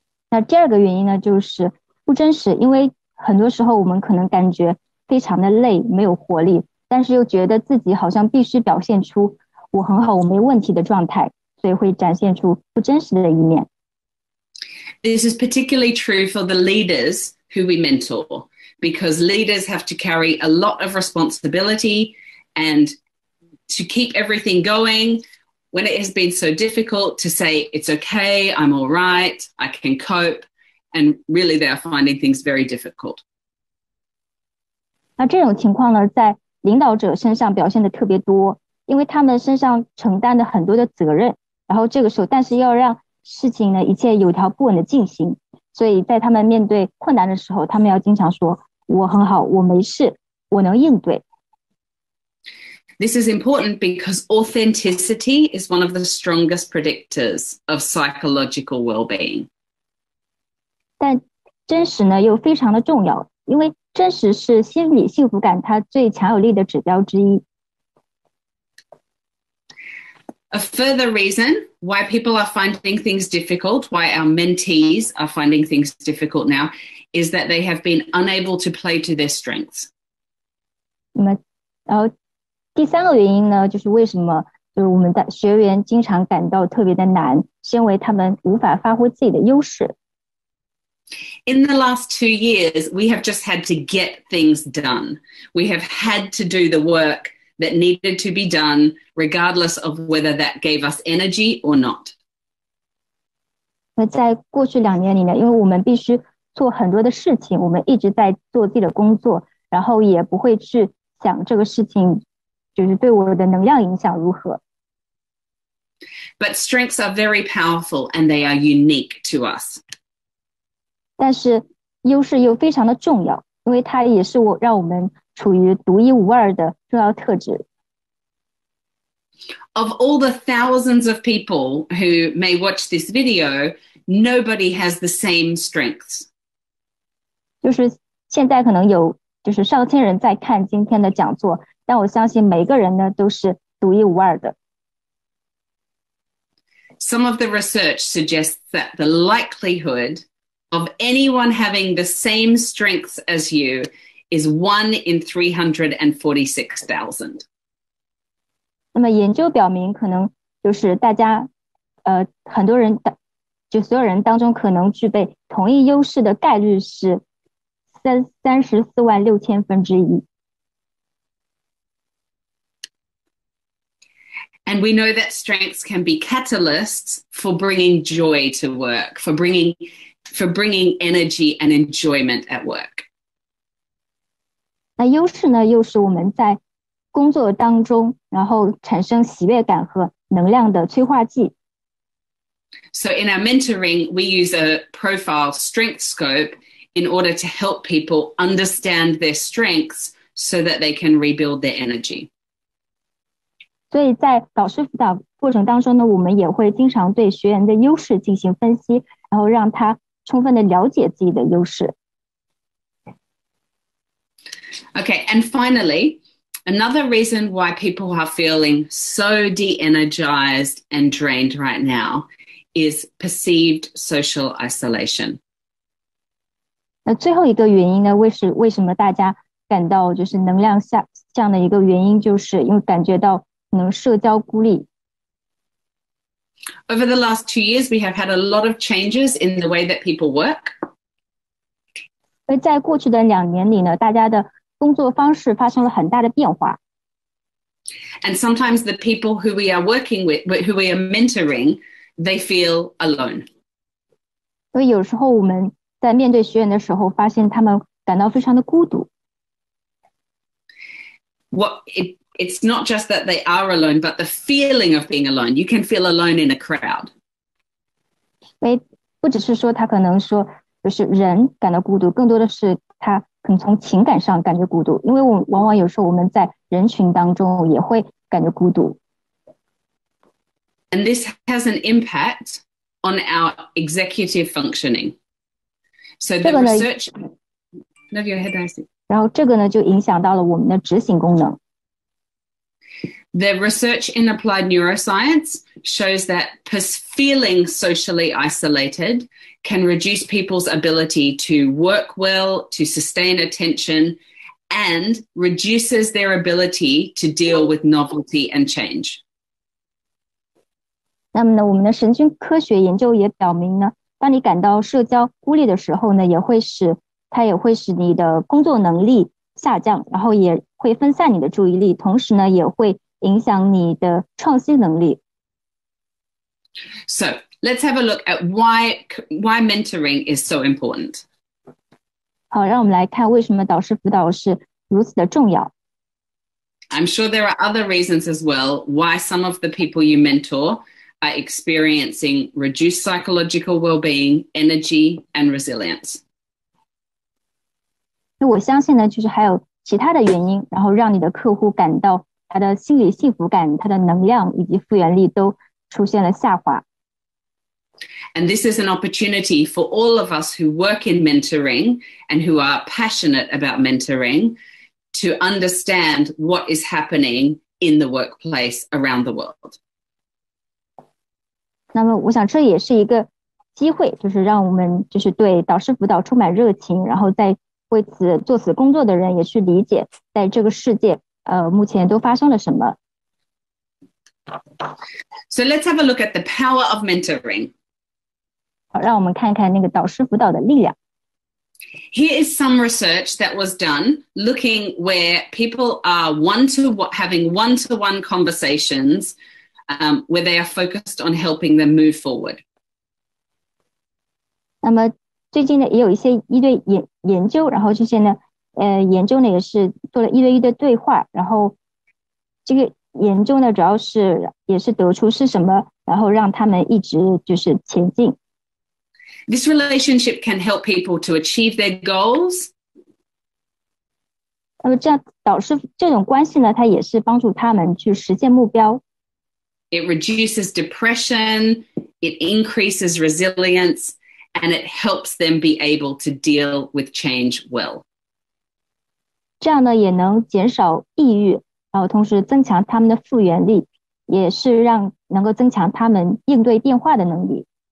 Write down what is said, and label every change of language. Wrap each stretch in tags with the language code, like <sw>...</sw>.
<zh>那第二个原因呢，就是不真实，因为很多时候我们可能感觉非常的累，没有活力，但是又觉得自己好像必须表现出我很好，我没问题的状态，所以会展现出不真实的一面。</zh> <en>This is particularly true for the leaders who we mentor, because leaders have to carry a lot of responsibility and to keep everything going when it has been so difficult to say, it's okay, I'm all right, I can cope, and really they are finding things very difficult.</en> <zh>那这种情况呢，在领导者身上表现得特别多，因为他们身上承担的很多的责任，然后这个时候，但是要让事情呢一切有条不紊的进行，所以在他们面对困难的时候，他们要经常说我很好，我没事，我能应对。</zh> <en>This is important because authenticity is one of the strongest predictors of psychological well-being.</en> <zh>但真实呢又非常的重要，因为真实是心理幸福感它最强有力的指标之一。</zh> <en>A further reason why people are finding things difficult, why our mentees are finding things difficult now, is that they have been unable to play to their strengths.</en> <zh>那么，第三个原因呢，就是为什么就是我们的学员经常感到特别的难，是因为他们无法发挥自己的优势。</zh> <en>In the last 2 years, we have just had to get things done. We have had to do the work that needed to be done, regardless of whether that gave us energy or not.</en> <zh>那在过去两年里呢，因为我们必须做很多的事情，我们一直在做自己的工作，然后也不会去想这个事情就是对我的能量影响如何。</zh> <en>But strengths are very powerful and they are unique to us.</en> <zh>但是优势又非常的重要，因为它也是让我们处于独一无二的重要特质。</zh> <en>Of all the thousands of people who may watch this video, nobody has the same strengths.</en> <zh>就是现在可能有就是上千人在看今天的讲座，但我相信每个人呢都是独一无二的。</zh> <en>Some of the research suggests that the likelihood of anyone having the same strengths as you is 1 in 346,000.</en> <zh>那么研究表明，可能就是大家，很多人就所有人当中可能具备同一优势的概率是34,600,000.</zh> <en>And we know that strengths can be catalysts for bringing joy to work, for bringing energy and enjoyment at work.</en> <zh>那优势呢，又是我们在工作当中，然后产生喜悦感和能量的催化剂。</zh> <en>So in our mentoring, we use a profile strength scope in order to help people understand their strengths so that they can rebuild their energy.</en> <zh>所以在导师辅导过程当中呢，我们也会经常对学员的优势进行分析，然后让他充分的了解自己的优势。</zh> <en>Okay, and finally, another reason why people are feeling so de-energized and drained right now is perceived social isolation.</en> <zh>那最后一个原因呢，为什么大家感到就是能量下降的一个原因，就是因为感觉到可能社交孤立。</zh> <en>Over the last 2 years, we have had a lot of changes in the way that people work.</en> <zh>在过去的两年里呢，大家的工作方式发生了很大的变化。</zh> <en>And sometimes the people who we are working with, who we are mentoring, they feel alone.</en> <zh>因为有时候我们在面对学员的时候，发现他们感到非常的孤独。</zh> <en>It's not just that they are alone, but the feeling of being alone. You can feel alone in a crowd.</en> <zh>不只是说他可能说就是人感到孤独，更多的是他可能从情感上感觉孤独，因为我往往有时候我们在人群当中也会感觉孤独。</zh> <en>And this has an impact on our executive functioning. So the research... No, go ahead, Nancy.</en> <zh>然后这个呢就影响到了我们的执行功能。</zh> <en>The research in applied neuroscience shows that feeling socially isolated can reduce people's ability to work well, to sustain attention, and reduces their ability to deal with novelty and change.</en> <zh>那么呢，我们的神经科学研究也表明呢，当你感到社交孤立的时候呢，它也会使你的工作能力下降，然后也会分散你的注意力，同时呢，也会影响你的创新能力。</zh> <en>So, let's have a look at why mentoring is so important.</en> <zh>好，让我们来看为什么导师辅导是如此的重要。</zh> <en>I'm sure there are other reasons as well why some of the people you mentor are experiencing reduced psychological well-being, energy, and resilience.</en> <zh>那我相信呢，就是还有其他的原因，然后让你的客户感到他的心理幸福感、他的能量以及复原力都出现了下滑。</zh> <en>And this is an opportunity for all of us who work in mentoring and who are passionate about mentoring to understand what is happening in the workplace around the world.</en> <zh>那么我想这也是一个机会，就是让我们就是对导师辅导充满热情，然后在为此做此工作的人也去理解在这个世界目前都发生了什么。</zh> <en>So let's have a look at the power of mentoring.</en> <zh>好，让我们看看那个导师辅导的力量。</zh> <en>Here is some research that was done looking where people are having one-to-one conversationsWhere they are focused on helping them move forward.</en> <zh>那么最近呢，也有一些一对研究，然后这些呢，研究呢也是做了一对一的对话，然后这个研究呢，主要是也是得出是什么，然后让他们一直就是前进。</zh> <en>This relationship can help people to achieve their goals.</en> <zh>那么这样导师这种关系呢，它也是帮助他们去实现目标。</zh> <en>It reduces depression, it increases resilience, and it helps them be able to deal with change well.</en> <zh>这样呢，也能减少抑郁，然后同时增强他们的复原力，也是让能够增强他们应对变化的能力。</zh>